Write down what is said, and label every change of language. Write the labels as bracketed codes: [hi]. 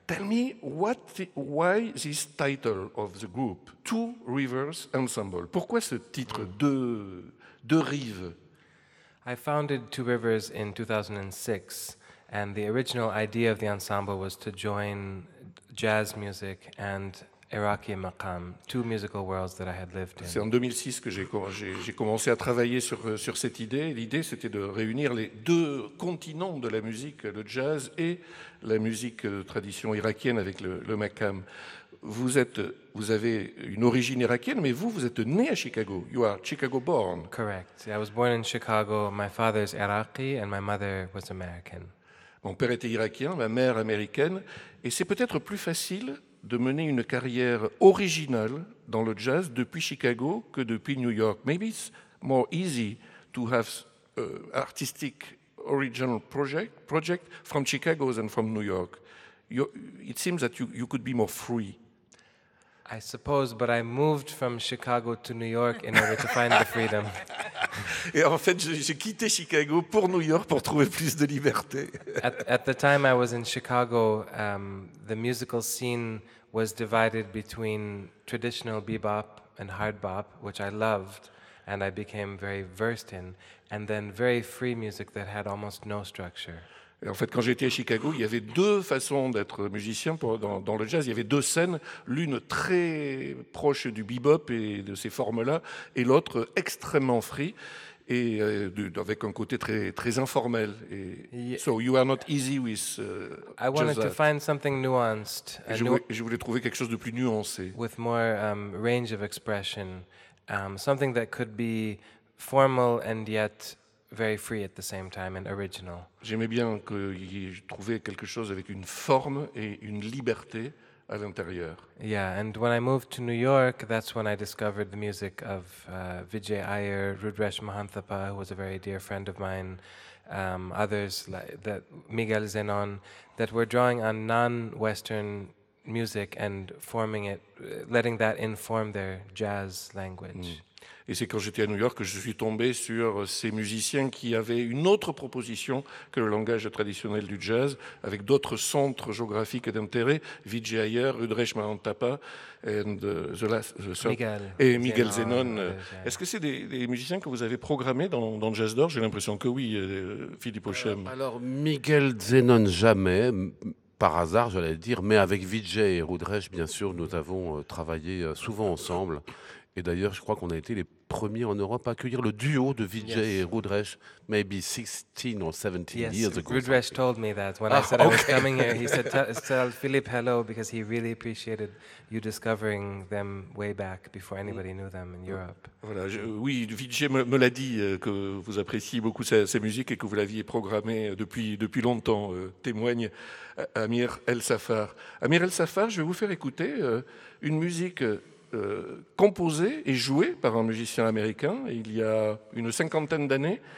[en] Tell me why this title of the group, Two Rivers Ensemble? [fr] Pourquoi ce titre, deux rives? [en] I founded Two Rivers in 2006, and the original idea of the ensemble was to join jazz music and Iraqi maqam, two musical worlds that I had lived in. [fr] C'est en 2006 que j'ai commencé à travailler sur cette idée. L'idée, c'était de réunir les deux continents de la musique, le jazz et la musique de tradition irakienne avec le maqam. Vous avez une origine irakienne, mais vous êtes né à Chicago. [en] You are Chicago born. Correct. I was born in Chicago. My father is Iraqi and my mother was American. [fr] Mon père était irakien, ma mère américaine, et c'est peut-être plus facile de mener une carrière originale dans le jazz depuis Chicago que depuis New York. [en] Maybe it's more easy to have artistic original project from Chicago than from New York. It seems that you could be more free. I suppose, but I moved from Chicago to New York in order to find the freedom. [fr] Et en fait, j'ai quitté Chicago pour New York pour trouver plus de liberté. [en] At the time I was in Chicago, the musical scene was divided between traditional bebop and hard bop, which I loved and I became very versed in, and then very free music that had almost no structure. [fr] Et en fait, quand j'étais à Chicago, il y avait deux façons d'être musicien dans le jazz. Il y avait deux scènes, l'une très proche du bebop et de ces formes-là, et l'autre extrêmement free, et avec un côté très, très informel. [en] Et so you are not easy with I wanted to find something nuanced. [fr] Je voulais trouver quelque chose de plus nuancé. [en] With more range of expression. Something that could be formal and yet very free at the same time and original. [fr] J'aimais bien que j'ai trouvé quelque chose avec une forme et une liberté à l'intérieur. [en] Yeah, and when I moved to New York, that's when I discovered the music of Vijay Iyer, Rudresh Mahanthapa, who was a very dear friend of mine, others like that, Miguel Zenon, that were drawing on non-Western music and forming it, letting that inform their jazz language. [fr] Et c'est quand j'étais à New York que je suis tombé sur ces musiciens qui avaient une autre proposition que le langage traditionnel du jazz, avec d'autres centres géographiques d'intérêt, Vijay Iyer, Rudresh Mahanthapa, et Miguel Zenon. Est-ce que c'est des musiciens que vous avez programmés dans Jazz d'Or? J'ai l'impression que oui, Philippe Hochem. Alors, Miguel Zenon, jamais, par hasard, j'allais dire, mais avec Vijay et Rudresh, bien sûr, nous avons travaillé souvent ensemble. Et d'ailleurs, je crois qu'on a été les premiers en Europe à accueillir le duo de Vijay et Rudresh, [en] maybe 16 or 17 yes, years ago. Rudresh told me that when I said okay. I was coming here, he said, tell Philippe hello, because he really appreciated you discovering them way back before anybody knew them in Europe. [fr] Voilà, oui, Vijay me l'a dit que vous appréciez beaucoup sa musique et que vous l'aviez programmée depuis longtemps, témoigne Amir El Safar. Amir El Safar, je vais vous faire écouter une musique composé et joué par un musicien américain il y a une cinquantaine d'années.